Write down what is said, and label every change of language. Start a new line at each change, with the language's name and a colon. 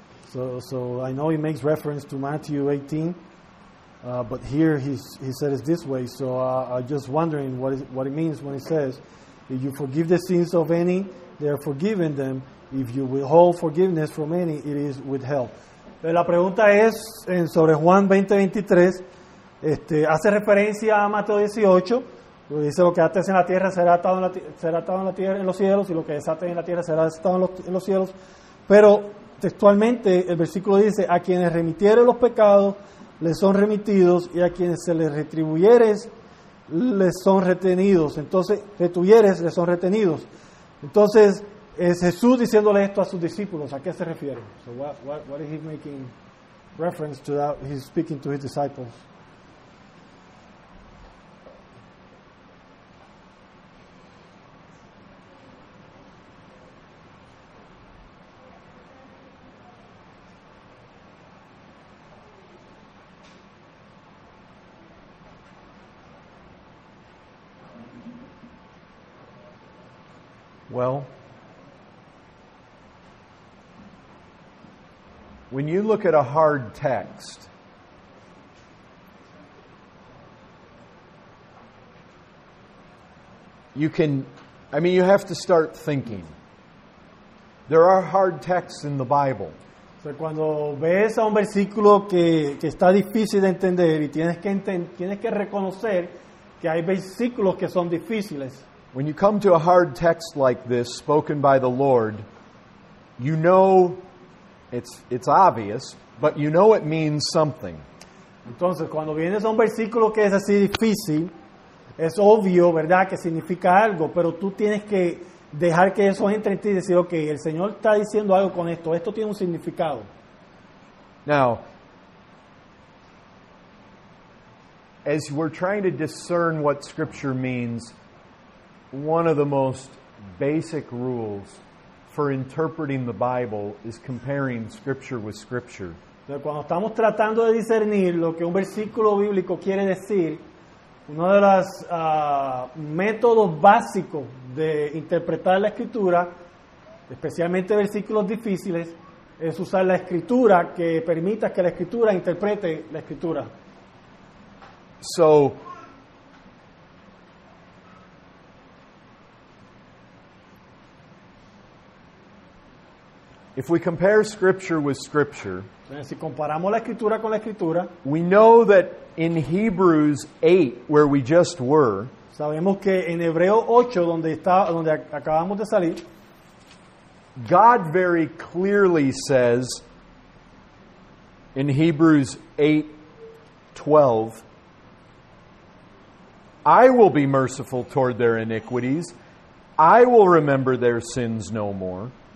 English: So I know he makes reference to Matthew 18, but here he said it this way. So I'm just wondering what it means when he says, if you forgive the sins of any, they are forgiven them. If you withhold forgiveness from any, it is withheld.
Spanish: Pero la pregunta es sobre Juan 20:23. Hace referencia a Mateo 18. Dice lo que ates en la tierra será atado en la tierra en los cielos, y lo que desates en la tierra será desatado en los cielos. Pero textualmente el versículo dice: a quienes remitieres los pecados les son remitidos, y a quienes se les retribuyeres les son retenidos. Entonces, retuvieres les son retenidos. Entonces, es Jesús diciéndole esto a sus discípulos. ¿A qué se refiere?
English: So what is he making reference to that? He's speaking to his disciples. Well, when you look at a hard text, you have to start thinking. There are hard texts in the Bible.
Spanish: So cuando ves a un versículo que está difícil de entender y tienes que reconocer que hay versículos que son difíciles.
English: When you come to a hard text like this, spoken by the Lord, you know it's obvious, but you know it means something.
Spanish: Entonces, cuando vienes a un versículo que es así difícil, es obvio, ¿verdad?, que significa algo, pero tú tienes que dejar que eso entre en ti y decir, ok, el Señor está diciendo algo con esto, esto tiene un significado.
English: Now, as we're trying to discern what Scripture means, one of the most basic rules for interpreting the Bible is comparing Scripture with Scripture.
Spanish: Pero cuando estamos tratando de discernir lo que un versículo bíblico quiere decir, uno de los métodos básicos de interpretar la Escritura, especialmente versículos difíciles, es usar la Escritura que permita que la Escritura interprete la Escritura.
English: So, if we compare Scripture with Scripture,
Spanish: si comparamos la Escritura con la Escritura,
English: we know that in Hebrews 8, where we just were,
Spanish: sabemos que en Hebreo 8, donde acabamos de salir,
English: God very clearly says in Hebrews 8:12, I will be merciful toward their iniquities, I will remember their sins no more.